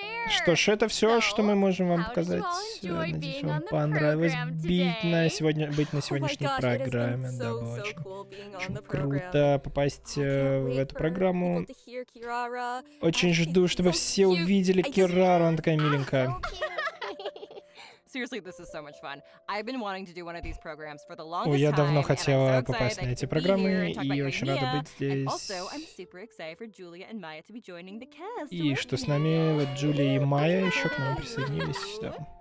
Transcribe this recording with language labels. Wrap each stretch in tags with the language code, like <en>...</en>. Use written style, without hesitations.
<ru>Что ж, это все, что мы можем вам показать. Надеюсь, вам понравилось быть на сегодняшней программе. Да, было очень круто попасть в эту программу. Очень жду, чтобы все увидели Кирару, она такая миленькая.</ru> <en>Seriously, this is so much fun. I've been wanting to do one of these programs for the longest</en> <ru>Ой, я давно хотела попасть на эти программы, и очень рада быть здесь. И что с нами, вот Джулия и Майя еще к нам присоединились, да.</ru>